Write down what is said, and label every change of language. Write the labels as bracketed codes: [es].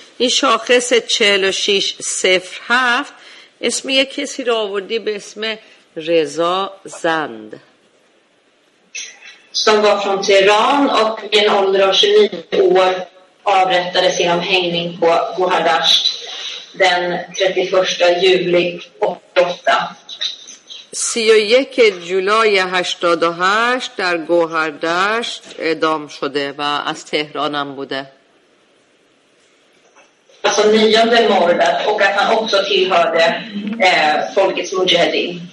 [fa] این شاخص 4607 اسم یک کسی رو آوردی به اسم رضا زند. [sv] Som var från Tehran och i en ålder av 29 år avrättades genom hängning på Gohardasht den 31 juli 88. [fa] 31 جولای 88 در گوهردشت اعدام شده و از تهران هم بوده. [sv] Alltså nionde mordet och att han också tillhörde folkets mujahedin.